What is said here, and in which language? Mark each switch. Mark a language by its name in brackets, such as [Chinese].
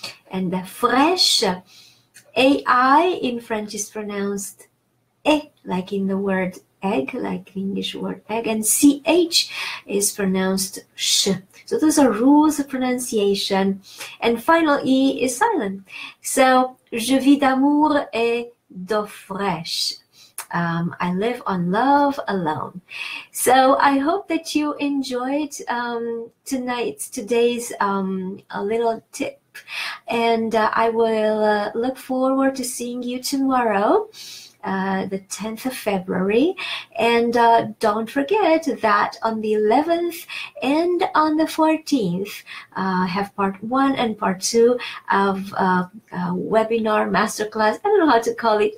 [English] And the fraîche, A-I in French is pronounced e, like in the word egg, like the English word egg. And C-H is pronounced sh. So those are rules of pronunciation. And final E is silent. [French] So, je vis d'amour et d'eau fraîche. [English] I live on love alone. So I hope that you enjoyed today's a little tip. And I will look forward to seeing you tomorrow. the 10th of February. And don't forget that on the 11th and on the 14th, have part one and part two of webinar, masterclass, I don't know how to call it.